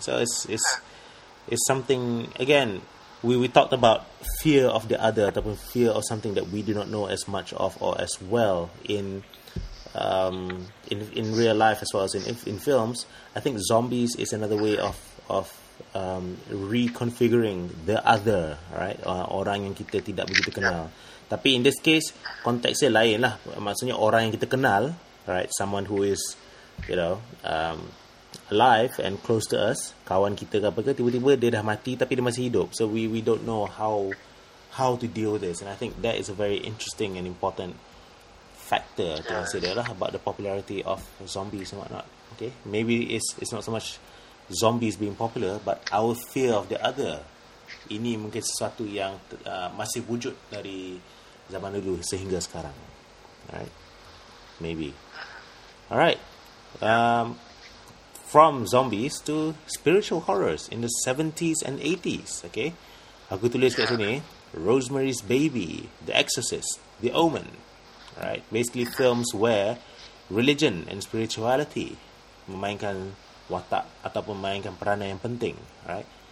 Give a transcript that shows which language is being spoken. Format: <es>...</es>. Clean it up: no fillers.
<en>So it's something, again, we talked about fear of the other, ataupun fear of something that we do not know as much of or as well in in real life as well as in films, I think zombies is another way of reconfiguring the other, right?</en> <ms>Orang yang kita tidak begitu kenal. Tapi</ms> <en>in this case,</en> <ms>konteksnya lain lah. Maksudnya orang yang kita kenal, right?</ms> <en>Someone who is, you know, alive and close to us,</en> <ms>kawan kita ke apa ke, tiba-tiba dia dah mati tapi dia masih hidup.</ms> <en>So we don't know how to deal with this. And I think that is a very interesting and important factor to consider lah about the popularity of zombies and whatnot. Okay, maybe it's not so much zombies being popular, but our fear of the other.</en> <ms>Ini mungkin sesuatu yang masih wujud dari zaman dulu sehingga sekarang.</ms> <en>Alright, maybe. Alright, from zombies to spiritual horrors in the 70s and 80s.</en> <ms>Okay, aku tulis kat sini Rosemary's Baby, The Exorcist, The Omen.</ms> <en>Alright, basically films where religion and spirituality</en> <ms>memainkan watak ataupun memainkan peranan yang penting.</ms> <en>Alright.</en>